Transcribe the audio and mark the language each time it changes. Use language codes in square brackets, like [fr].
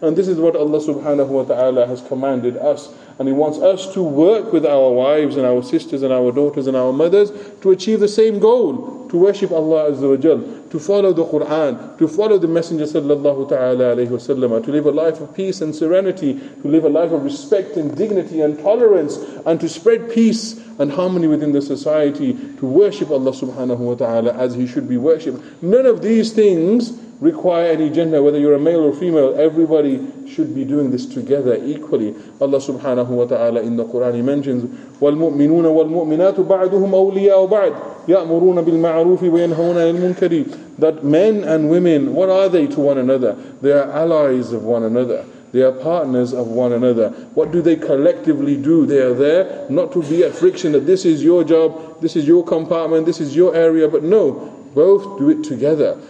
[en] And this is what Allah subhanahu wa ta'ala has commanded us. And He wants us to work with our wives and our sisters and our daughters and our mothers to achieve the same goal, to worship Allah Azza wa Jal, to follow the Quran, to follow the Messenger sallallahu ta'ala alayhi wa sallam, to live a life of peace and serenity, to live a life of respect and dignity and tolerance, and to spread peace and harmony within the society, to worship Allah subhanahu wa ta'ala as He should be worshipped. None of these things require any gender, whether you're a male or female. Everybody should be doing this together equally. Allah subhanahu wa ta'ala in the Quran, He mentions, [ar] وَالْمُؤْمِنُونَ وَالْمُؤْمِنَاتُ بَعْدُهُمْ أَوْلِيَاءُ بَعْدٍ يَأْمُرُونَ بِالْمَعْرُوفِ وَيَنْهَوْنَ عَنِ الْمُنكَرِ. [en] That men and women, what are they to one another? They are allies of one another. They are partners of one another. What do they collectively do? They are there not to be at friction, that this is your job, this is your compartment, this is your area, but no, both do it together.